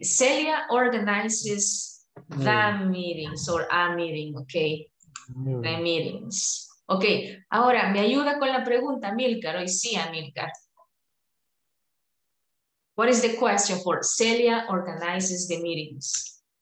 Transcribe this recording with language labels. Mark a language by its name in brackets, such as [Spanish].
[English] Celia organizes the meetings or a meeting, okay? The meetings. [Spanish] Ok, ahora me ayuda con la pregunta, Milcar. Hoy sí, Milcar. [English] What is the question for Celia organizes the meetings?